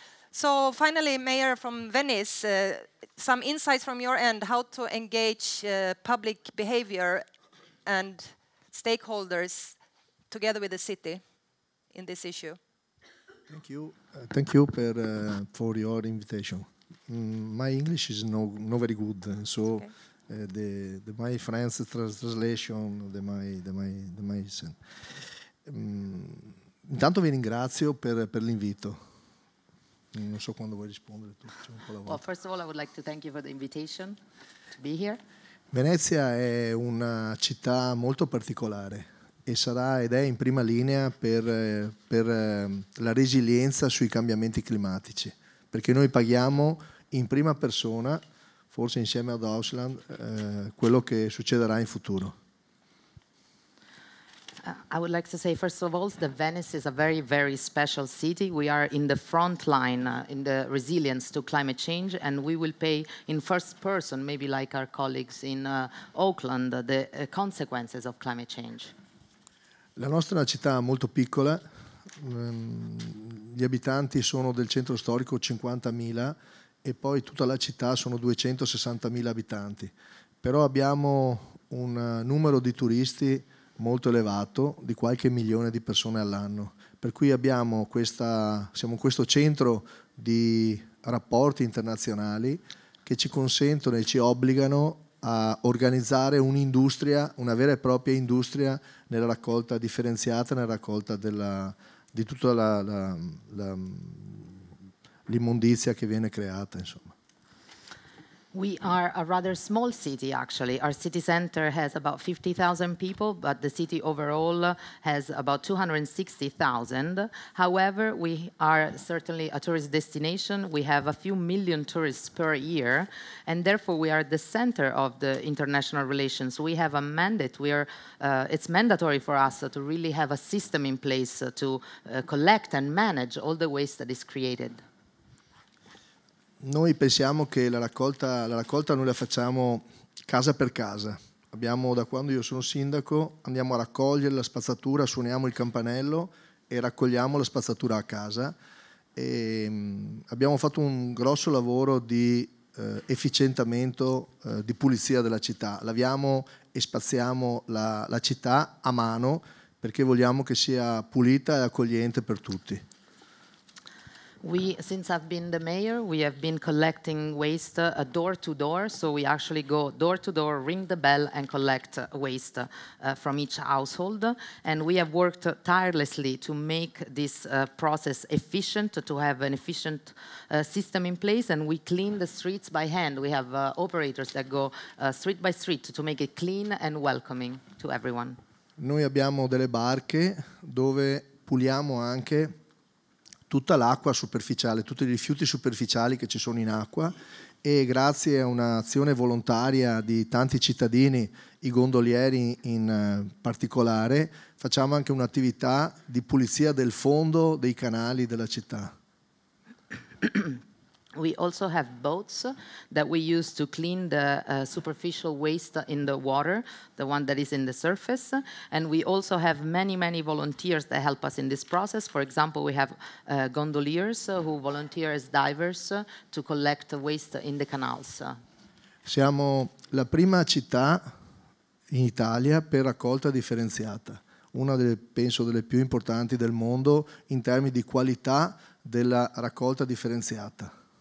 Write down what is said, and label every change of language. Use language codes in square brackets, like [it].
[en] So finally, Mayor from Venice, some insights from your end, how to engage public behavior and stakeholders together with the city in this issue. Thank you. Thank you for your invitation. My English is not very good, so okay. The my French translation, the my accent. [it] Intanto vi ringrazio per l'invito. Non so quando vuoi rispondere tu, facciamo un po' la volta. [en] Well, first of all, I would like to thank you for the invitation to be here. [it] Venezia è una città molto particolare e sarà ed è in prima linea per la resilienza sui cambiamenti climatici, perché noi paghiamo in prima persona, forse insieme ad Auckland, quello che succederà in futuro. [en] I would like to say, first of all, that Venice is a very, very special city. We are in the front line in the resilience to climate change, and we will pay in first person, maybe like our colleagues in Auckland, the consequences of climate change. [it] La nostra è una città molto piccola. Gli abitanti sono del centro storico 50.000 e poi tutta la città sono 260.000 abitanti. Però abbiamo un numero di turisti molto elevato, di qualche milione di persone all'anno. Per cui abbiamo questa, siamo questo centro di rapporti internazionali che ci consentono e ci obbligano a organizzare un'industria, una vera e propria industria nella raccolta differenziata, nella raccolta della, di tutta la, la, la, l'immondizia che viene creata, insomma. [en] We are a rather small city, actually. Our city center has about 50,000 people, but the city overall has about 260,000. However, we are certainly a tourist destination. We have a few million tourists per year, and therefore we are the center of the international relations. We have a mandate. We are, it's mandatory for us to really have a system in place to collect and manage all the waste that is created. [it] Noi pensiamo che la raccolta noi la facciamo casa per casa. Abbiamo, da quando io sono sindaco, andiamo a raccogliere la spazzatura, suoniamo il campanello e raccogliamo la spazzatura a casa. E abbiamo fatto un grosso lavoro di efficientamento, di pulizia della città. Laviamo e spaziamo la città a mano perché vogliamo che sia pulita e accogliente per tutti. [en] We, since I've been the mayor, we have been collecting waste door to door. So we actually go door to door, ring the bell, and collect waste from each household. And we have worked tirelessly to make this process efficient, to have an efficient system in place. And we clean the streets by hand. We have operators that go street by street to make it clean and welcoming to everyone. [it] Noi abbiamo delle barche dove puliamo anche tutta l'acqua superficiale, tutti i rifiuti superficiali che ci sono in acqua, e grazie a un'azione volontaria di tanti cittadini, i gondolieri in particolare, facciamo anche un'attività di pulizia del fondo dei canali della città. [en] We also have boats that we use to clean the superficial waste in the water, the one that is in the surface. And we also have many, many volunteers that help us in this process. For example, we have gondoliers who volunteer as divers to collect waste in the canals. [it] Siamo la prima città in Italia per raccolta differenziata, una delle, penso, delle più importanti del mondo in termini di qualità della raccolta differenziata.